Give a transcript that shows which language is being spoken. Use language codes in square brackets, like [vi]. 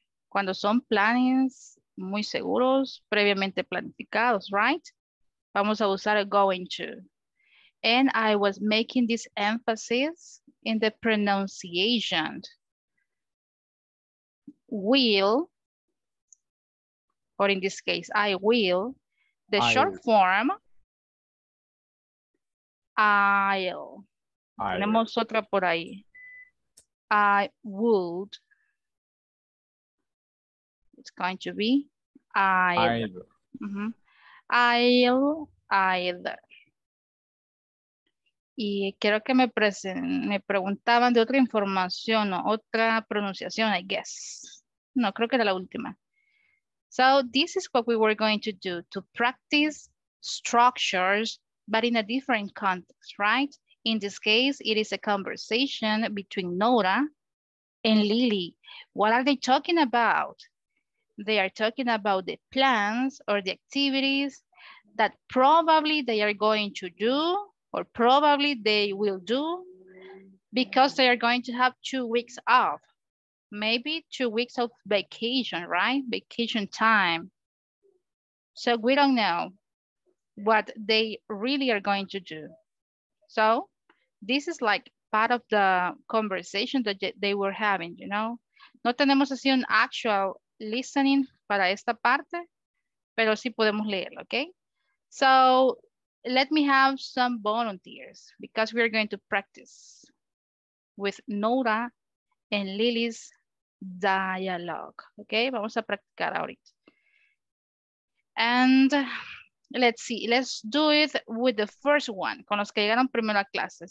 [es] Cuando son planes muy seguros, previamente planificados, right? Vamos a usar el going to. [en] And I was making this emphasis in the pronunciation. Will, or in this case, I will, the I'll. Short form, I'll. [es] Tenemos otra por ahí. I would. [en] It's going to be I'll. Either. [es] Y quiero que me preguntaban de otra información o otra pronunciación, [en] I guess. [es] No, creo que era la última. [en] So this is what we were going to do, to practice structures, but in a different context, right? In this case, it is a conversation between Nora and Lily. What are they talking about? They are talking about the plans or the activities that probably they are going to do, or probably they will do, because they are going to have 2 weeks off. Maybe 2 weeks of vacation, right? Vacation time. So we don't know what they really are going to do. So this is like part of the conversation that they were having, you know? [es] No tenemos así un actual listening para esta parte, pero sí podemos leerlo, okay? [en] So let me have some volunteers because we are going to practice with Nora and Lily's dialogue. [es] Okay, vamos a practicar ahorita. [en] And let's see, let's do it with the first one, [es] con los que llegaron primero a clase.